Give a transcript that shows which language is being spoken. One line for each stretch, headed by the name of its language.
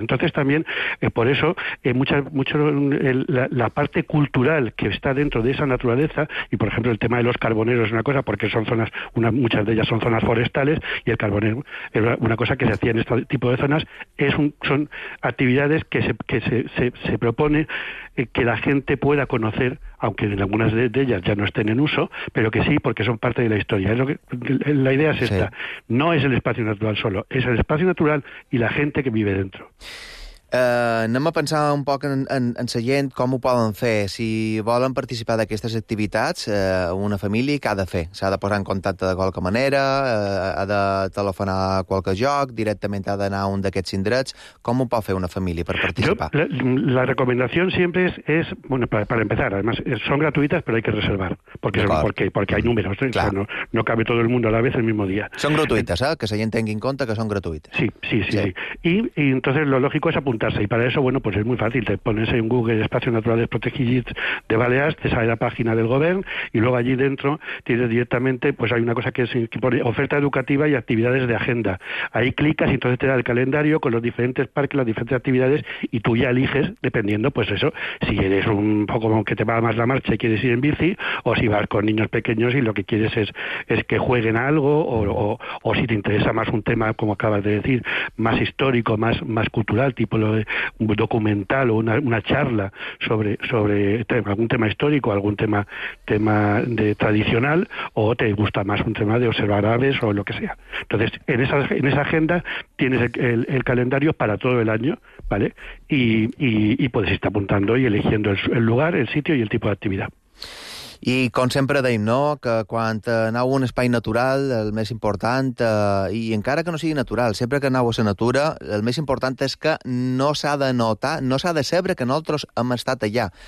Spanish: Entonces también, por eso, la parte cultural que está dentro de esa naturaleza, y por ejemplo el tema de los carboneros es una cosa, porque son zonas, muchas de ellas son zonas forestales, y el carbonero es una cosa que se hacía en este tipo de zonas, son actividades que se propone que la gente pueda conocer, aunque en algunas de ellas ya no estén en uso, pero que sí, porque son parte de la historia. La idea es esta. Sí. No es el espacio natural solo, es el espacio natural y la gente que vive dentro.
Catalan: Anem a pensar un poc en la gent, com ho poden fer. Si volen participar d'aquestes activitats, una família, què ha de fer? S'ha de posar en contacte de qualque manera? Ha de telefonar a qualque joc? Directament ha d'anar a un d'aquests indrets? Com ho pot fer una família per participar?
Spanish: La recomendación siempre es bueno, para empezar, además, son gratuitas, pero hay que reservar, porque hay números, claro. No cabe todo el mundo a la vez el mismo día. Son gratuitas,
Catalan: que la gent tingui en compte que són gratuïtes.
Spanish: Sí. Y entonces lo lógico es apuntar documentarse. Y para eso, bueno, pues es muy fácil. Te pones en Google Espacios Naturales Protegidos de Baleares, te sale la página del Govern, y luego allí dentro tienes directamente, pues hay una cosa que es que pone oferta educativa y actividades de agenda. Ahí clicas y entonces te da el calendario con los diferentes parques, las diferentes actividades, y tú ya eliges, dependiendo, pues eso, si eres un poco como que te va más la marcha y quieres ir en bici, o si vas con niños pequeños y lo que quieres es que jueguen a algo, o si te interesa más un tema, como acabas de decir, más histórico, más cultural, tipo lo de un documental o una charla sobre algún tema histórico, algún tema de tradicional, o te gusta más un tema de observar aves o lo que sea. Entonces, en esa agenda tienes el calendario para todo el año, ¿vale? Y puedes estar apuntando y eligiendo el lugar, el sitio y el tipo de actividad.
Catalan: I com sempre deim, no?, que quan aneu a un espai natural, el més important, i encara que no sigui natural, sempre que aneu a la natura, el més important és que no s'ha de notar, no s'ha de saber que nosaltres hem estat allà.